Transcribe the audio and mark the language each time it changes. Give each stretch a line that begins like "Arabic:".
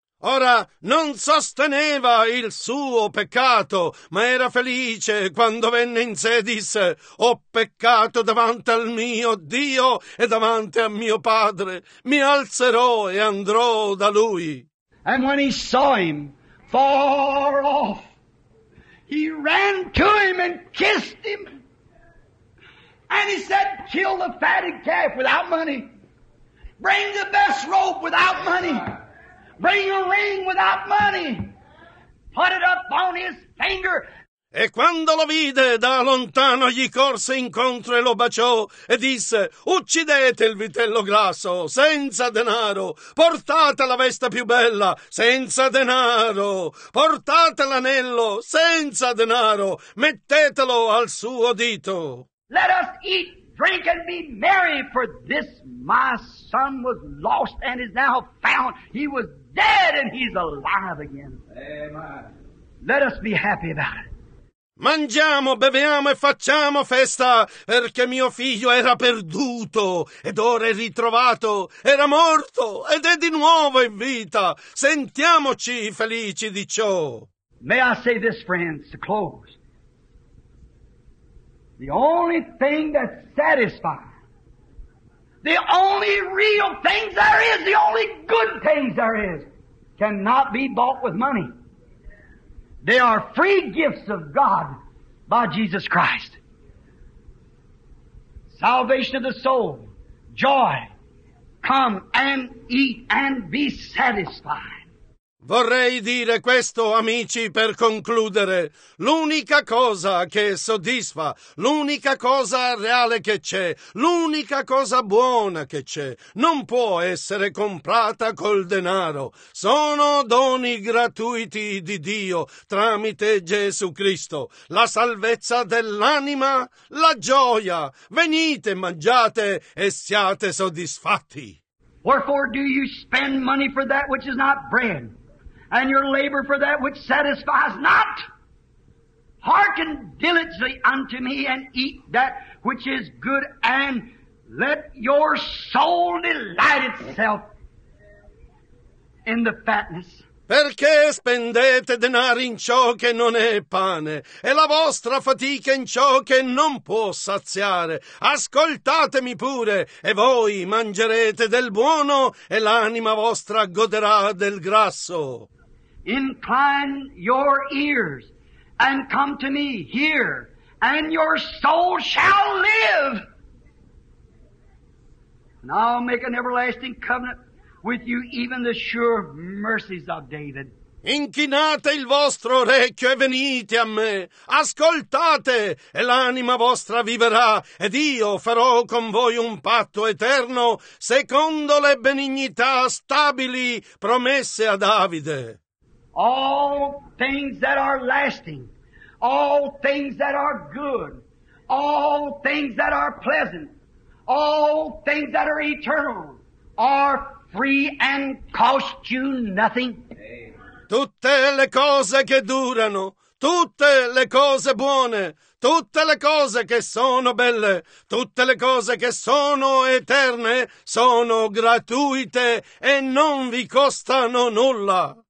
Italian: Ora, non sosteneva il suo peccato, ma era felice quando venne in sé e disse, ho peccato davanti al mio Dio e davanti a mio Padre. Mi alzerò e andrò da lui.
English: And when he saw him far off, he ran to him and kissed him. And he said, kill the fatted calf without money. Bring the best robe without money. Bring a ring without money. Put it up on his finger.
Italian: E quando lo vide da lontano, gli corse incontro e lo baciò e disse, uccidete il vitello grasso senza denaro, portate la veste più bella senza denaro, portate l'anello senza denaro, mettetelo al suo dito.
English: Let us eat, drink and be merry, for this my son was lost and is now found. He was dead and he's alive again. Amen. Let us be happy about it.
Italian: Mangiamo, beviamo e facciamo festa, perché mio figlio era perduto ed ora è ritrovato, era morto ed è di nuovo in vita. Sentiamoci felici di ciò.
English: May I say this, friends, to close. The only thing that satisfies, the only real things there is, the only good things there is, cannot be bought with money. They are free gifts of God by Jesus Christ. Salvation of the soul, joy, come and eat and be satisfied.
Italian: Vorrei dire questo, amici, per concludere. L'unica cosa che soddisfa, l'unica cosa reale che c'è, l'unica cosa buona che c'è, non può essere comprata col denaro. Sono doni gratuiti di Dio tramite Gesù Cristo. La salvezza dell'anima, la gioia. Venite, mangiate e siate soddisfatti.
English: Wherefore do you spend money for that which is not bread? And your labor for that which satisfies not. Hearken diligently unto me and eat that which is good and let your soul delight itself in the fatness.
Italian: Perché spendete denari in ciò che non è pane e la vostra fatica in ciò che non può saziare? Ascoltatemi pure e voi mangerete del buono e l'anima vostra goderà del grasso.
English: Incline your ears and come to me here, and your soul shall live. And I'll make an everlasting covenant with you, even the sure mercies of David.
Italian: Inchinate il vostro orecchio e venite a me. Ascoltate, e l'anima vostra vivrà, ed io farò con voi un patto eterno, secondo le benignità stabili promesse a Davide.
English: All things that are lasting, all things that are good, all things that are pleasant, all things that are eternal, are free and cost you nothing.
Italian: Tutte le cose che durano, tutte le cose buone, tutte le cose che sono belle, tutte le cose che sono eterne, sono gratuite e non vi costano nulla.